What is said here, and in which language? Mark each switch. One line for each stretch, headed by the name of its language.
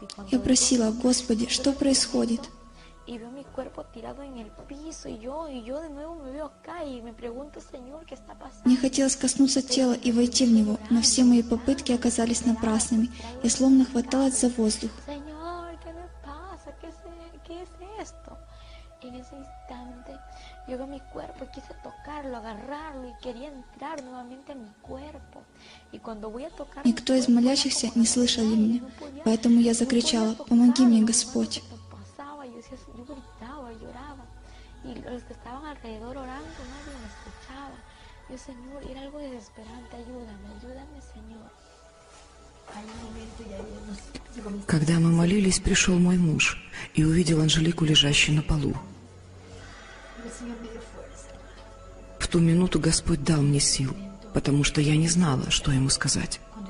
Russian: Я просила: «Господи, что происходит?»
Spanish: и veo mi cuerpo tirado en el piso, y yo de nuevo me veo acá y me pregunto, Señor, ¿qué está pasando?
Russian: Мне хотелось коснуться тела и войти в него, но все мои попытки оказались напрасными. Я словно хваталась за воздух.
Spanish: Señor, ¿qué me pasa? ¿Qué es esto? En ese instante, yo veo mi cuerpo y quise tocarlo, agarrarlo y quería entrar nuevamente a mi cuerpo. Y cuando voy a tocar,
Russian: никто из молящихся не слышал меня, поэтому я закричала: «Помоги мне, Господь!»
Spanish: Yo gritaba, lloraba, y los que estaban alrededor orando, nadie me escuchaba. Yo, Señor, era algo desesperante, ayúdame, Señor.
Russian: Когда мы молились, пришел мой муж и увидел Анжелику, лежащую на полу. В ту минуту Господь дал мне сил, потому что я не знала, что ему сказать.